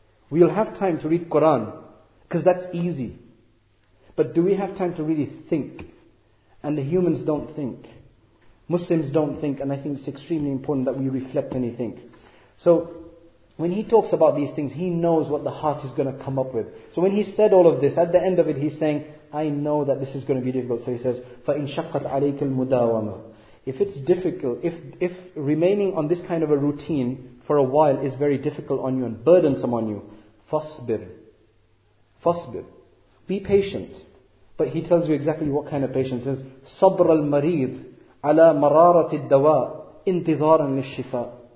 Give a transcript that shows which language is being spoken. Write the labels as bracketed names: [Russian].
[English] We'll have time to read Quran, because that's easy. But do we have time to really think? And the humans don't think. Muslims don't think, and I think it's extremely important that we reflect and think. So, when he talks about these things, he knows what the heart is going to come up with. So when he said all of this, at the end of it, he's saying, I know that this is going to be difficult. So he says, [Arabic] فَإِن شَقَّتْ عَلَيْكَ الْمُدَاوَمَةِ. [English] If it's difficult, if remaining on this kind of a routine for a while is very difficult on you and burdensome on you, فَصْبِرْ. فَصْبِرْ. Be patient. But he tells you exactly what kind of patience is. [Arabic] صَبْرَ الْمَرِيدِ عَلَى مَرَارَةِ الدَّوَاءِ انْتِظَارًا لِلشِّفَاءِ.